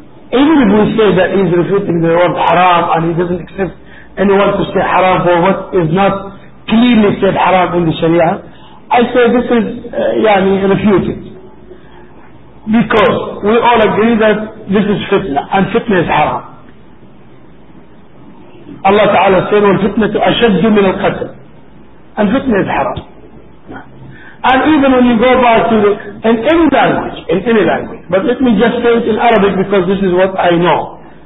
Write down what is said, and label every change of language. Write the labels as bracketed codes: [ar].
[en] Even if we say that he's refuting the word haram and he doesn't accept anyone to say haram for what is not clearly said haram in the Sharia, I say this is yani refuted. Because we all agree that this is fitna, and fitna is haram. Allah Ta'ala said, [ar] وَالْفِتْنَةُ أَشَدُّ مِنَ الْقَتْلِ. [en] And fitna is haram. And even when you go back to the, in any language, but let me just say it in Arabic because this is what I know.